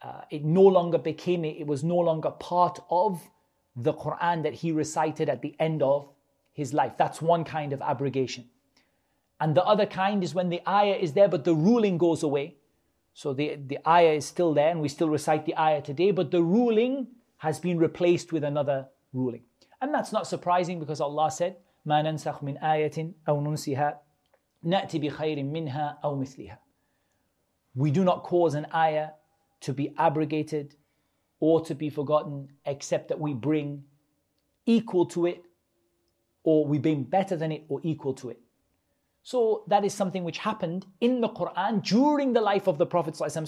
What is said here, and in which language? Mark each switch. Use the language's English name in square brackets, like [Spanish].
[English] It was no longer part of the Quran that he recited at the end of his life. That's one kind of abrogation, and the other kind is when the ayah is there, but the ruling goes away. So the ayah is still there and we still recite the ayah today, but the ruling has been replaced with another ruling. [Arabic] And that's not surprising, because Allah said, مَا نَنْسَخْ مِنْ آيَةٍ أَوْ نُنْسِهَا نَأْتِ بِخَيْرٍ مِنْهَا أَوْ مِثْلِهَا. [English] We do not cause an ayah to be abrogated or to be forgotten, except that we bring equal to it, or we bring better than it or equal to it. So that is something which happened in the Quran during the life of the Prophet ﷺ.